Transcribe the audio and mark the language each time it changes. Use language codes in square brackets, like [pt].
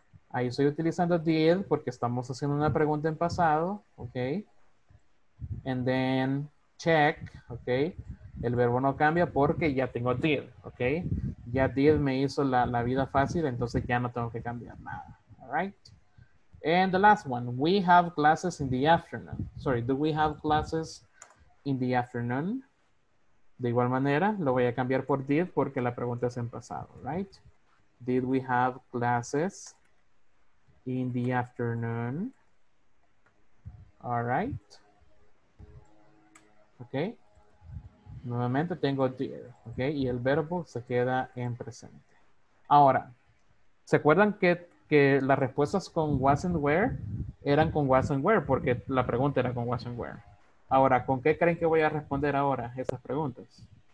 [es] Ahí estoy utilizando did porque estamos haciendo una pregunta en pasado. Ok. [en] And then check, [es] ok. El verbo no cambia porque ya tengo did, ok. Ya did me hizo la vida fácil, entonces ya no tengo que cambiar nada. [en] All right. And the last one, we have classes in the afternoon. Sorry, do we have classes in the afternoon? [es] De igual manera, lo voy a cambiar por did porque la pregunta es en pasado, right? [en] Did we have classes in the afternoon? All right. [es] Okay. Nuevamente tengo did, okay? Y el verbo se queda en presente. Ahora, ¿se acuerdan que las respuestas con [en] was and where [es] eran con was and where? Porque la pregunta era con was and where. Ahora, ¿con qué creen que voy a responder ahora esas preguntas?